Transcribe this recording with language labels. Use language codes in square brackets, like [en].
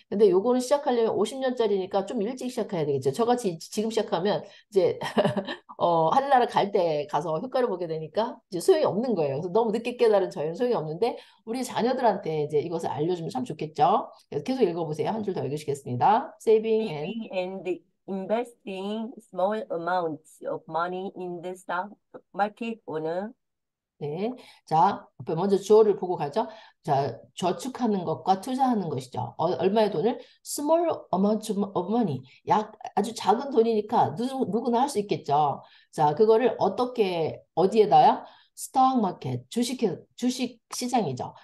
[ko] 근데 요거는 시작하려면 50년짜리니까 좀 일찍 시작해야 되겠죠. 저같이 지금 시작하면 이제 하늘나라 갈때 가서 효과를 보게 되니까 이제 소용이 없는 거예요. 그래서 너무 늦게 깨달은 저희는 소용이 없는데 우리 자녀들한테 이제 이것을 알려주면 참 좋겠죠. 계속 읽어보세요. 한줄더 읽으시겠습니다. [en] Saving and Saving and investing small amounts of money in the stock market [ko] 오늘 네. 자, 앞에 먼저 주어를 보고 가죠. 자, 저축하는 것과 투자하는 것이죠. 얼마의 돈을? [en] Small amount of money. [ko] 약 아주 작은 돈이니까 누구나 할수 있겠죠. 자, 그거를 어떻게 어디에다요? [en] Stock market. [ko] 주식 시장이죠.